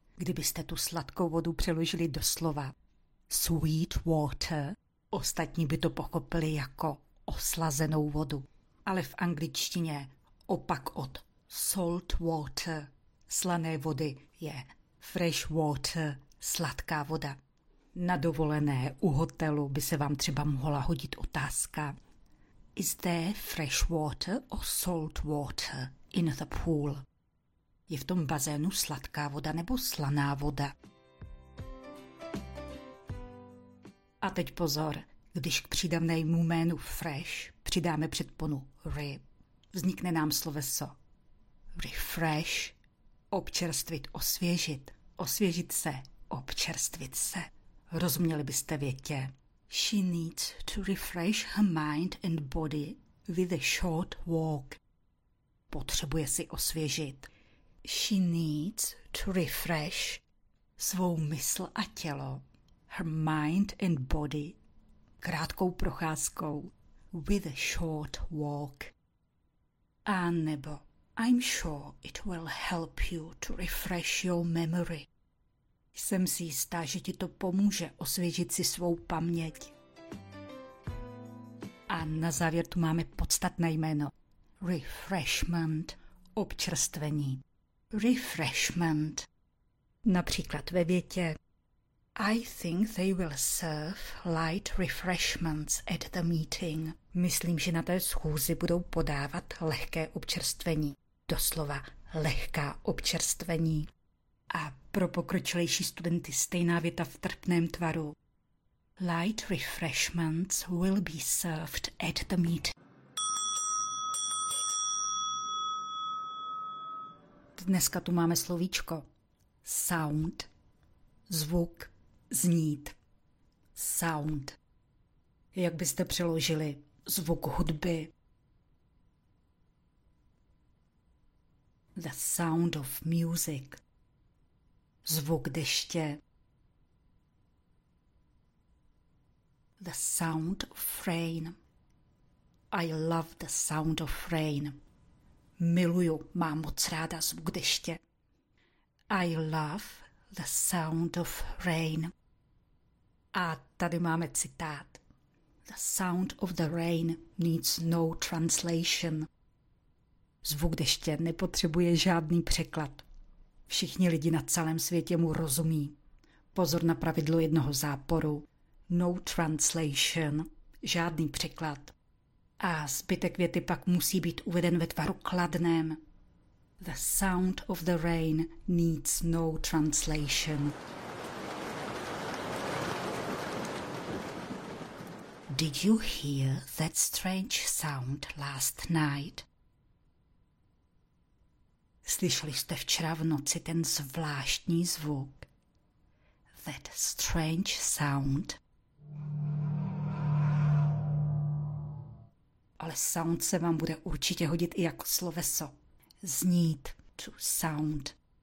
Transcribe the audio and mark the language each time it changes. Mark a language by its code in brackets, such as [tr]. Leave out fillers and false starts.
[cs] Kdybyste tu sladkou vodu přeložili do slova sweet water, ostatní by to pochopili jako oslazenou vodu. Ale v angličtině opak od salt water, slané vody, je fresh water, sladká voda. Na dovolené u hotelu by se vám třeba mohla hodit otázka. [en] Is there fresh water or salt water in the pool? [cs] Je v tom bazénu sladká voda nebo slaná voda? A teď pozor, když k přídavnému jménu fresh přidáme předponu rib, vznikne nám sloveso refresh, občerstvit, osvěžit se, občerstvit se. Rozuměli byste větě. [en] She needs to refresh her mind and body with a short walk. [cs] Potřebuje si osvěžit. [en] She needs to refresh [cs] svou mysl a tělo, [en] her mind and body, [cs] krátkou procházkou, [en] with a short walk. [cs] A nebo [en] I'm sure it will help you to refresh your memory. [cs] Jsem si jistá, že ti to pomůže osvěžit si svou paměť. A na závěr tu máme podstatné jméno. [en] Refreshment, občerstvení. Refreshment. [cs] Například ve větě. [en] I think they will serve light refreshments at the meeting. [cs] Myslím, že na té schůzi budou podávat lehké občerstvení. Doslova lehká občerstvení. A pro pokročilejší studenty stejná věta v trpném tvaru. [en] Light refreshments will be served at the meeting. [cs] Dneska tu máme slovíčko. Sound. Zvuk. Znít. Sound. Jak byste přeložili zvuk hudby? [en] The sound of music. [cs] Zvuk deště. [en] The sound of rain. I love the sound of rain. [cs] Miluju, mám moc ráda zvuk deště. [en] I love the sound of rain. [cs] A tady máme citát. [en] The sound of the rain needs no translation. [cs] Zvuk deště nepotřebuje žádný překlad. Všichni lidi na celém světě mu rozumí. Pozor na pravidlo jednoho záporu. [en] No translation. [cs] Žádný překlad. A zbytek věty pak musí být uveden ve tvaru kladném. [en] The sound of the rain needs no translation. Did you hear that strange sound last night? [cs] Slyšeli jste včera v noci ten zvláštní zvuk? [en] That strange sound. [cs] Ale sound se vám bude určitě hodit i jako sloveso. Znít, to sound.